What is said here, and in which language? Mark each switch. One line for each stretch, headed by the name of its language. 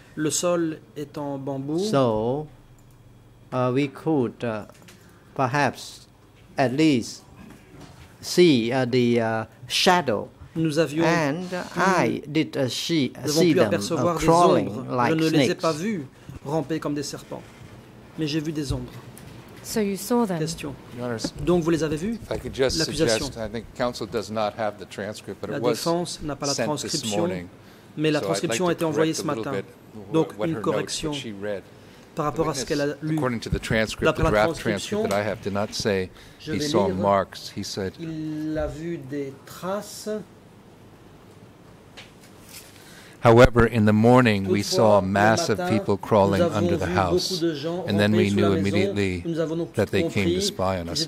French: Le sol est en bambou.
English: So, we could perhaps at least see the shadow.
French: Nous avions
English: and I did see them crawling like snakes.
French: Je ne les ai pas vus ramper comme des serpents, mais j'ai vu des ombres.
English: So you saw them.
French: Question. Donc vous les avez vus?
English: If I could just suggest, I think counsel does not have the transcript, but it was
French: défense n'a pas la transcription, mais la transcription a été envoyée ce matin. Donc une correction par rapport à ce qu'elle a lu.
English: According to the transcript, the draft transcript that I have did not say he saw marks. He said
French: il a vu des traces.
English: However, in the morning, we saw a mass of people crawling under the house, and then we knew immediately that they came to spy on us.